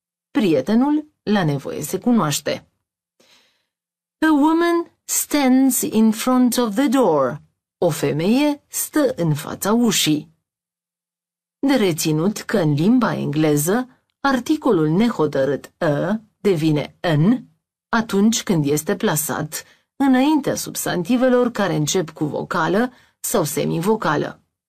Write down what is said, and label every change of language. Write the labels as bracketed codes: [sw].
[ro] Prietenul la nevoie se cunoaște. [en] A woman stands in front of the door. [ro] O femeie stă în fața ușii. De reținut că în limba engleză, articolul nehotărât a devine an atunci când este plasat înaintea substantivelor care încep cu vocală sau semivocală.